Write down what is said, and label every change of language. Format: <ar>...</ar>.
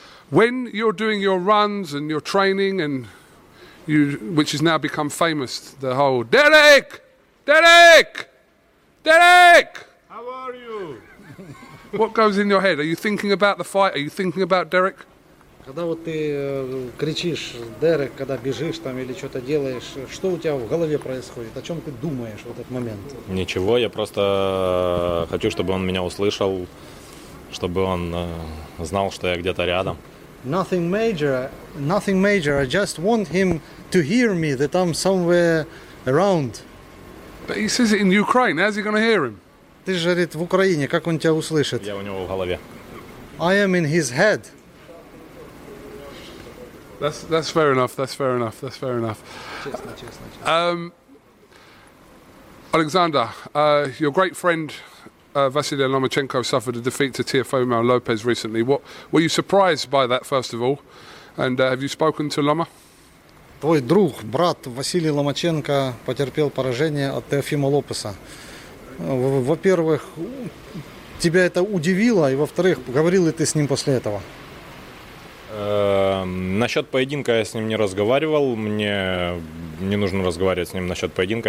<en>When you're doing your runs and your training and you, which has now become famous, the whole Derek. Derek! Derek! How are you? What goes in your head? Are you thinking about the fight? Are you thinking about Derek?</en> <ru>Когда вот ты кричишь, Дерек, когда бежишь там или что-то делаешь, что у тебя в голове происходит? О чем ты думаешь в этот момент? Ничего, я просто хочу, чтобы он меня услышал, чтобы он знал, что я где-то рядом.</ru> <en>Nothing major. I just want him to hear me that I'm somewhere around. But he says it in Ukraine. How's he going to hear him?</en> <ru>Ты же говорит в Украине. Как он тебя услышит? Я у него в голове.</ru> <en>I am in his head. That's fair enough.</en> <ru>Честно.</ru> <en>Oleksandr, your great friend Vasily Lomachenko suffered a defeat to Teofimo Lopez recently. What were you surprised by that, first of all? And have you spoken to Loma?</en> <ru>Твой друг, брат Василий Ломаченко потерпел поражение от Теофима Лопеса. Во-первых, тебя это удивило, и во-вторых, говорил ли ты с ним после этого? Насчет поединка я с ним не разговаривал. Мне не нужно разговаривать с ним насчет поединка.</ru>